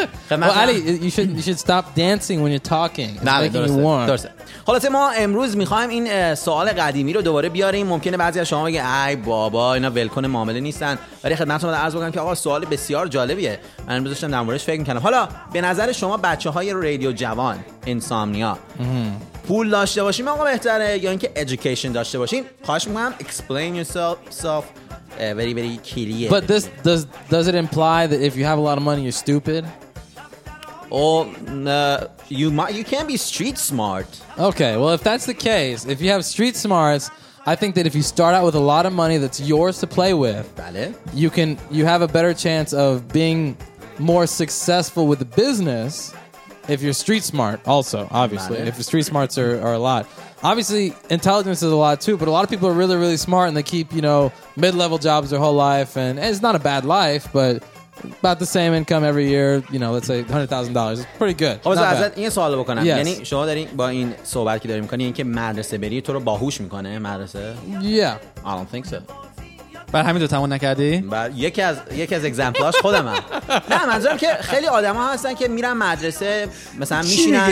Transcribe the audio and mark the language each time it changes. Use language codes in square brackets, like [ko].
[en] Well, Ali, you should stop dancing when you're talking. It's making you warm. [fa] خلاصه ما امروز میخوایم این سوال قدیمی رو دوباره بیاریم. ممکنه بعضی از شما بگه ای بابا اینا ولکن معامله نیستن، ولی خدمتتون باید عرض بکنم که آقا سوال بسیار جالبیه. من امروز داشتم در موردش فکر میکنم. حالا به نظر شما بچه های رادیو جوان انسامنیا پول داشته باشیم آقا بهتره یا اینکه education داشته باشیم؟ خواهش میکنم [en] explain yourself very very clear. But this does it imply that if you have a lot of money you're stupid? You can be street smart. Okay, well, if that's the case, if you have street smarts, I think that if you start out with a lot of money that's yours to play with, vale. You have a better chance of being more successful with the business if you're street smart also, obviously. Vale. If your street smarts are a lot. Obviously, intelligence is a lot too, but a lot of people are really, really smart and they keep, mid-level jobs their whole life. And it's not a bad life, but... about the same income every year, let's say $100,000. It's pretty good. [fa] خب ازت این سوال بکنم. یعنی شما دارین با این صحبت که دارین می‌کنی اینکه مدرسه بری تو رو باهوش می‌کنه مدرسه؟ [en] Yeah. I don't think so. [fa] بعد همین دو تمون نکردی؟ بعد یکی از اگزمپلاش خودم هم. نه منظورم که خیلی آدم ها هستن که میرن مدرسه مثلا میشینن